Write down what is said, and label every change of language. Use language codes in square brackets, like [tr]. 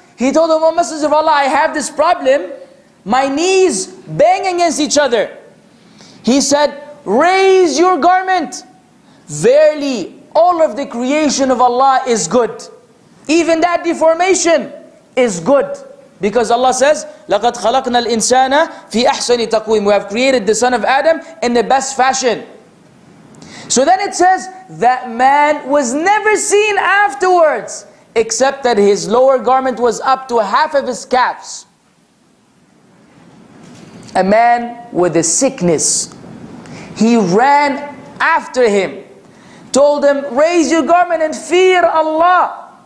[en] He told him, O Messenger of Allah, I have this problem. My knees bang against each other. He said, raise your garment. Verily, all of the creation of Allah is good. Even that deformation is good. Because Allah says, [ar] لَقَدْ خَلَقْنَا الْإِنسَانَ فِي أَحْسَنِ تَقْوِيمٍ. [en] We have created the son of Adam in the best fashion. So then it says, that man was never seen afterwards, except that his lower garment was up to half of his calves. A man with a sickness. he ran after him, told him, raise your garment and fear Allah.